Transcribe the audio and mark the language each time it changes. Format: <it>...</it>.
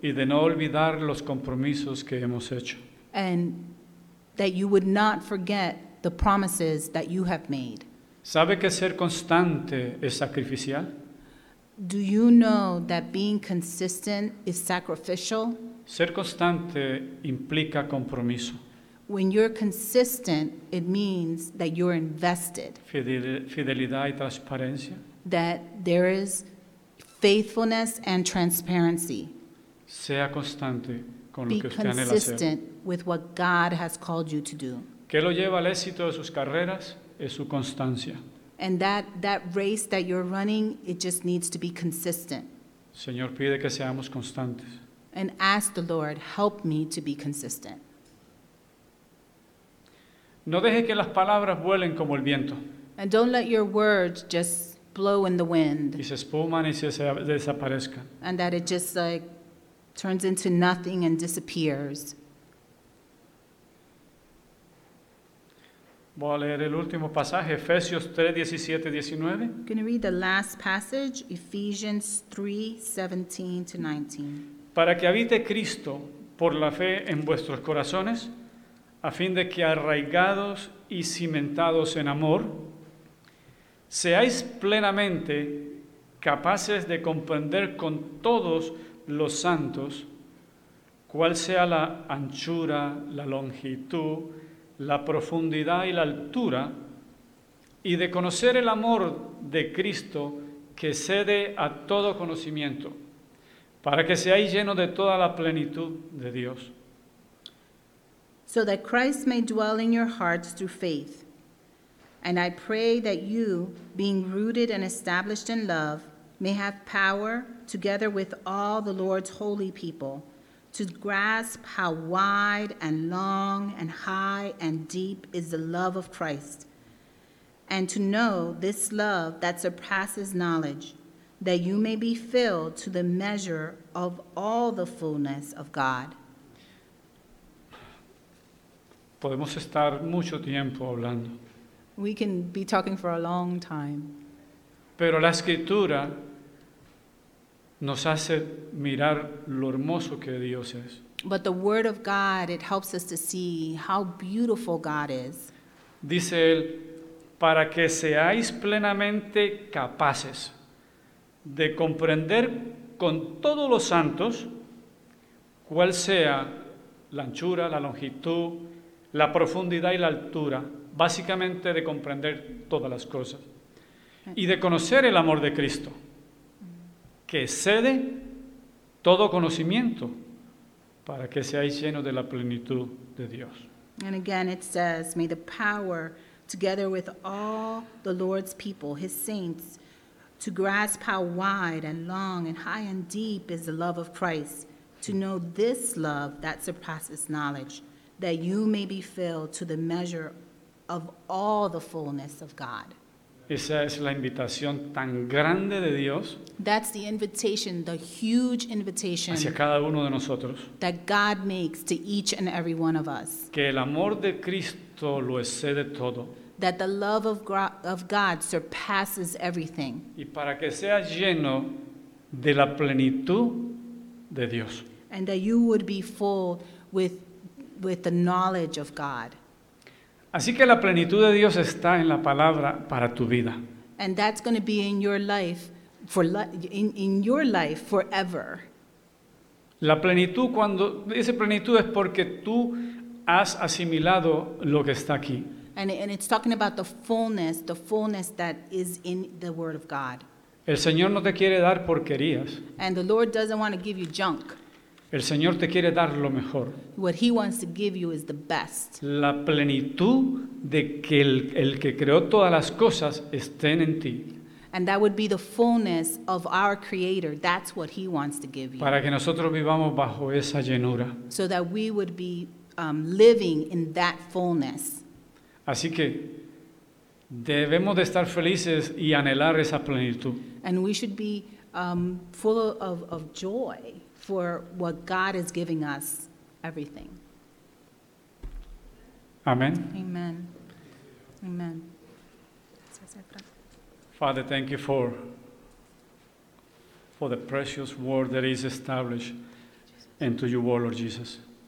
<es>Y de no olvidar los compromisos que hemos hecho.</es> <en>And that you would not forget the promises that you have made.</en> <es>¿Sabe que ser constante es sacrificial?</es> <en>Do you know that being consistent is sacrificial?</en> <es>Ser constante implica compromiso.</es> <en>When you're consistent, it means that you're invested.</en> <es>Fidelidad y transparencia.</es> <en>That there is faithfulness and transparency.</en> <es>Sea constante con</es> <en>Be</en> <es>lo que usted anhela</es> <en>consistent</en> <es>hacer.</es> <en>With what God has called you to do.</en> <es>¿Qué lo lleva al éxito de sus carreras? Es su constancia.</es> <en>And that race that you're running, it just needs to be consistent.</en> <es>Señor, pide que seamos constantes.</es> <en>And ask the Lord, help me to be consistent.</en> <es>No deje que las palabras vuelen como el viento.</es> <en>And don't let your words just blow in the wind.</en> <es>Y se espuman y se desaparezcan.</es> <en>And that it just like turns into nothing and disappears.</en> <es>Voy a leer el último pasaje, Efesios 3, 17, 19.</es> <en>I'm going to read the last passage, Ephesians 3, 17 to 19.</en> <es>Para que habite Cristo por la fe en vuestros corazones, a fin de que arraigados y cimentados en amor, seáis plenamente capaces de comprender con todos los santos cuál sea la anchura, la longitud, la profundidad y la altura, y de conocer el amor de Cristo que excede a todo conocimiento, para que seáis llenos de toda la plenitud de Dios.</es> <en>So that Christ may dwell in your hearts through faith. And I pray that you, being rooted and established in love, may have power, together with all the Lord's holy people, to grasp how wide and long and high and deep is the love of Christ, and to know this love that surpasses knowledge, that you may be filled to the measure of all the fullness of God.</en> <es>Podemos estar mucho tiempo hablando.</es> <en>We can be talking for a long time.</en> <es>Pero la escritura nos hace mirar lo hermoso que Dios es.</es> <en>But the word of God, it helps us to see how beautiful God is.</en> <es>Dice él, para que seáis plenamente capaces de comprender con todos los santos cuál sea la anchura, la longitud, la profundidad y la altura, básicamente de comprender todas las cosas. Y de conocer el amor de Cristo, que excede todo conocimiento, para que seáis llenos de la plenitud de Dios.</es> <en>And again it says, may the power, together with all the Lord's people, his saints, to grasp how wide and long and high and deep is the love of Christ, to know this love that surpasses knowledge, that you may be filled to the measure of all the fullness of God.</en> <es>Esa es la invitación tan grande de Dios.</es> <en>That's the invitation, the huge invitation.</en> <es>Hacia cada uno de nosotros.</es> <en>That God makes to each and every one of us.</en> <es>Que el amor de Cristo lo excede todo.</es> <en>That the love of God surpasses everything.</en> <es>Y para que seas lleno de la plenitud de Dios.</es> <en>And that you would be full with the knowledge of God.</en> <es>Así que la plenitud de Dios está en la palabra para tu vida.</es> <en>And that's going to be in your life forever.</en> <es>La plenitud, cuando dice plenitud, es porque tú has asimilado lo que está aquí.</es> <en>And it's talking about the fullness that is in the word of God.</en> <es>El Señor no te quiere dar porquerías.</es> <en>And the Lord doesn't want to give you junk.</en> <es>El Señor te quiere dar lo mejor.</es> <en>What he wants to give you is the best.</en> <es>La plenitud de que el que creó todas las cosas estén en ti.</es> <en>And that would be the fullness of our Creator. That's what He wants to give you.</en> <es>Para que nosotros vivamos bajo esa llenura.</es> <en>So that we would be living in that fullness.</en> <es>Así que debemos de estar felices y anhelar esa plenitud.</es> <en>And we should be full of joy for what God is giving us, everything. Amen. Amen. Amen. Father, thank you for the precious word that is established into your word, Lord Jesus.</en>